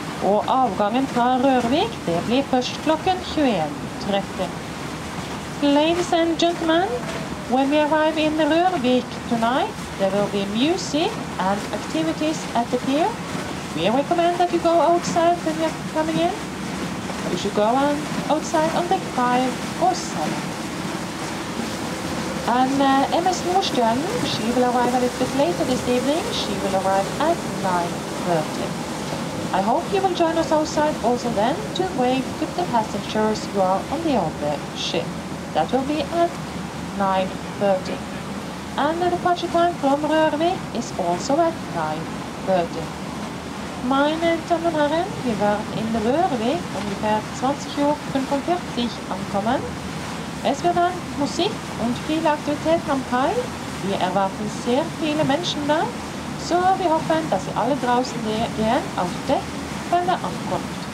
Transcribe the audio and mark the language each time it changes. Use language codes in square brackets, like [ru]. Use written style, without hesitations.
[no] Og avgangen fra Rørvik, det blir først klokken 21.30. [en] Ladies and gentlemen, when we arrive in Rørvik tonight, there will be music and activities at the pier. We recommend that you go outside when you're coming in. You should go on outside on deck 5 or 7. And MS Nordstjernen, she will arrive a little bit later this evening. She will arrive at 9.30. I hope you will join us outside also then to wave to the passengers who are on the other ship. That will be at 9.30. And the departure time from Rørvik is also at 9.30. [de] Meine Damen und Herren, wir werden in Rørvik ungefähr 20.45 ankommen. Es wird dann Musik und viele Aktivitäten am Kai. Wir erwarten sehr viele Menschen da. So, wir hoffen, dass ihr alle draußen gehen auf Deck, wenn er ankommt.